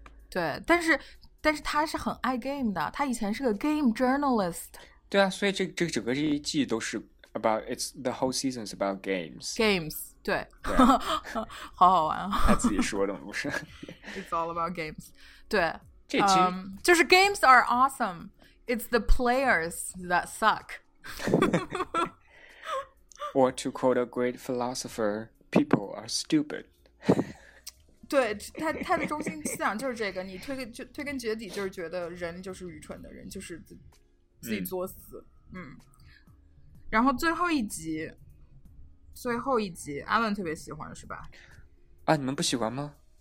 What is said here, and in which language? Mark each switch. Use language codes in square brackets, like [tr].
[zh] 对，但是他是很爱 game 的，他以前是个 game journalist。对啊，所以这整个这一季都是 [en] about it's the whole season is about games。 [zh] 对，好好玩啊，他自己说的不是 [en] it's all about games。 [zh] 对，这期 [en] 就是 games are awesome, it's the players that suck. Or to quote a great philosopher, people are stupid. [zh] 对，他的中心思想就是这个，你推根结底就是觉得人就是愚蠢的，人就是自己作死。嗯，然后最后一集 Alan 特别喜欢是吧？啊，你们不喜欢吗？